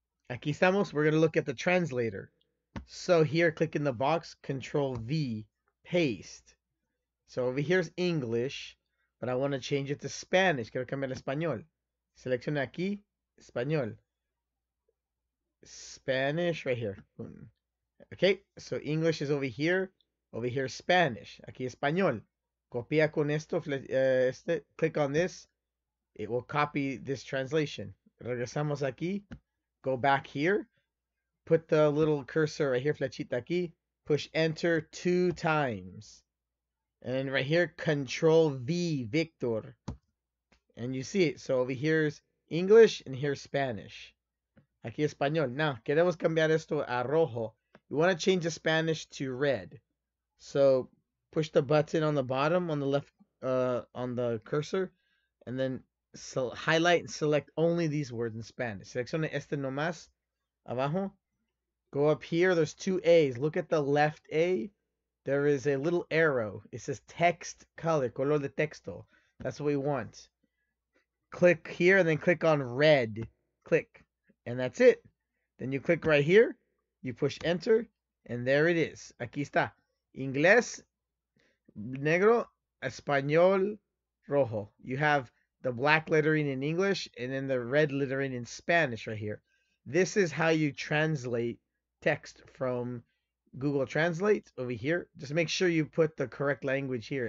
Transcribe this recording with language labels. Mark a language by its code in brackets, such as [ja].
[es] Aquí estamos, [en] we're going to look at the translator. So here, click in the box, Control V, paste. So over here's English. But I want to change it to Spanish. [es] Quiero cambiar a español. Selecciona aquí, español. [en] Spanish right here. Okay, so English is over here. Over here, Spanish. [es] Aquí, español. Copia con esto. [en] Click on this. It will copy this translation. [es] Regresamos aquí. [en] Go back here. Put the little cursor right here. [es] Flechita aquí. [en] Push enter 2 times. And right here, Control V, Victor. And you see it. So over here is English and here's Spanish. [es] Aquí español. Now, queremos cambiar esto a rojo. [en] You want to change the Spanish to red. So push the button on the bottom on the left on the cursor. And then highlight and select only these words in Spanish. [es] Selecciona este nomás abajo. [en] Go up here. There's two A's. Look at the left A. There is a little arrow. It says text color, [es] color de texto. [en] That's what we want. Click here and then click on red. Click. And that's it. Then you click right here. You push enter. And there it is. [es] Aquí está. Inglés, negro, español, rojo. [en] You have the black lettering in English and then the red lettering in Spanish right here. This is how you translate text from Google Translate over here. Just make sure you put the correct language here.